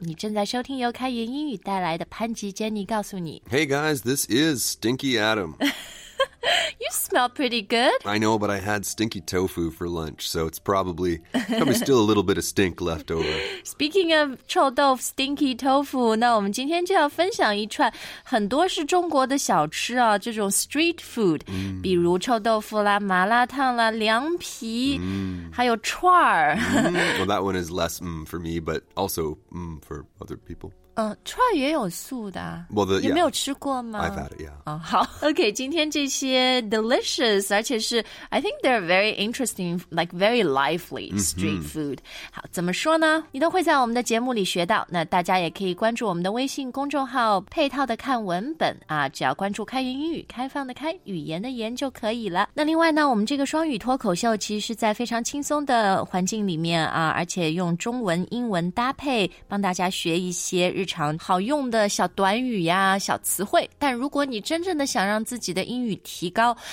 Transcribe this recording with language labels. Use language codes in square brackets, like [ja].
[zh] 你正在收听由开言英语带来的潘吉 Jenny 告诉你。 [en] Hey guys, this is Stinky Adam. You smell pretty good. I know, but I had stinky tofu for lunch, so it's probably still a little bit of stink left over. Speaking of [zh] 臭豆腐 [en] stinky tofu, [zh] 那我们今天就要分享一串很多是中国的小吃啊，这种 [en] street food,、 [zh] mm. 比如臭豆腐啦，麻辣烫啦，凉皮、mm. 还有串儿。 [en] Well, that one is less for me, but also for other people. [zh] 串也有素的、 [en] 啊、well, the, [zh] 你没有吃过吗 [en] I've had it, yeah、 oh, 好 OK [zh] 今天这些 [en] delicious [zh] 而且是 [en] I think they're very interesting like very lively street food、mm-hmm. [zh] 好怎么说呢你都会在我们的节目里学到那大家也可以关注我们的微信公众号配套的看文本啊，只要关注开言英语开放的开语言的言就可以了那另外呢我们这个双语脱口秀其实是在非常轻松的环境里面啊，而且用中文英文搭配帮大家学一些日常好用的小短语呀小词汇但如果你真正的想让自己的英语提高